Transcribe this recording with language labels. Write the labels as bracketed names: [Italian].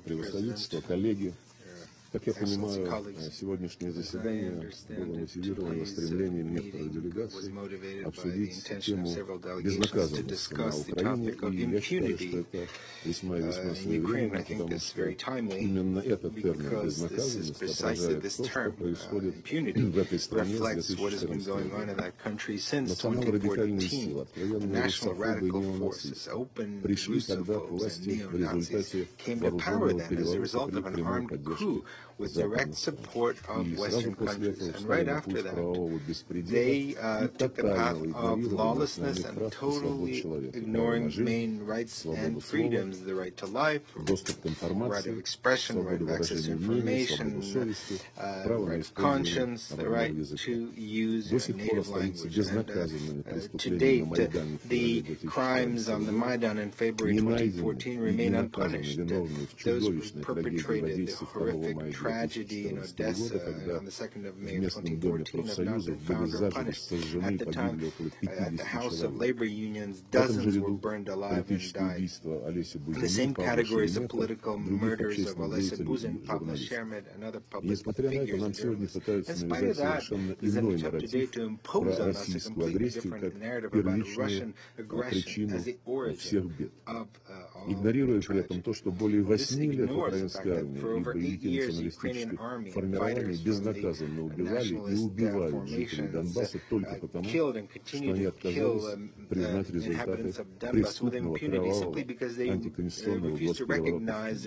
[Russian] превосходительство, коллеги. Как я понимаю, сегодняшнее заседание было мотивировано стремлением некоторых делегаций обсудить тему безнаказанности на Украине, и я считаю, что это весьма своевременно, потому что именно этот термин «безнаказанность» отражает то, что происходит в этой стране с 2014 года. Национально радикальные силы, откровенные русофобы и неонацисты пришли тогда к власти в результате вооруженного переворота при прямой поддержке. [English] With direct support of Western countries. And right after that, they took the path of lawlessness and totally ignoring main rights and freedoms, the right to life, right of expression, right of access to information, right of conscience, the right to use your native language. And, to date, the crimes on the Maidan in February 2014 remain unpunished. Those who perpetrated the horrific tragedy in Odessa on the 2nd of May 2014 have not been found or punished. At the time, at the House of Labor Unions, dozens were burned alive and died. In the same categories of political murders of Олеся Бузин, Павла Шермет, and other public figures. In spite of that, the attempt today to impose on us a completely different narrative about Russian aggression as the origin of all of the tragedy. This ignores the fact that for over 8 years, [Russian] формирования безнаказанно убивали и убивают жителей Донбасса только потому, что они отказались признать результаты преступного кровавого антиконституционного госпереворота.